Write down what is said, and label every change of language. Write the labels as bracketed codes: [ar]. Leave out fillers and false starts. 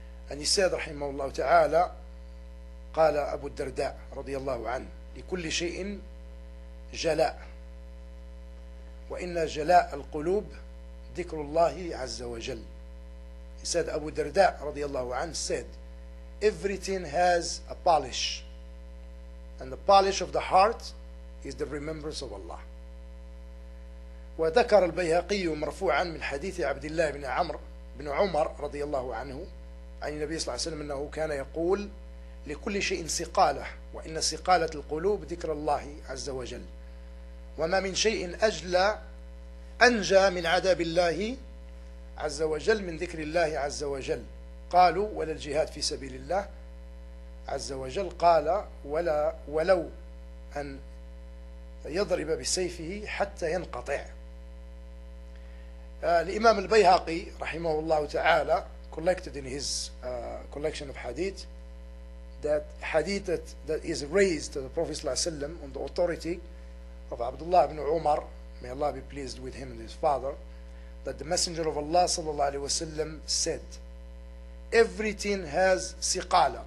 [en] And he said, [ar] رحمه الله تعالى, قال أبو الدرداء رضي الله عنه لكل شيء جلاء وإن جلاء القلوب ذكر الله عز وجل. [en] He said, Abu Darda [ar] رضي الله عنه [en] said, everything has a polish, and the polish of the heart is the remembrance of Allah. [ar] وذكر البيهقي مرفوعا من حديث عبد الله بن عمر بن عمر رضي الله عنه عن النبي صلى الله عليه وسلم أنه كان يقول لكل شيء سقالة وإن سقالة القلوب ذكر الله عز وجل. وما من شيء أجلى أنجى من عذاب الله عز وجل من ذكر الله عز وجل. قالوا ولا الجهاد في سبيل الله عز وجل. قال ولا ولو أن يضرب بسيفه حتى ينقطع. الإمام البيهقي رحمه الله تعالى [en] collected in his collection of hadith that hadith that is raised to the Prophet [ar] صلى الله عليه وسلم [en] on the authority of Abdullah ibn Umar, may Allah be pleased with him and his father, that the Messenger of Allah [ar] sallallahu alayhi wa sallam [en] said, everything has siqala.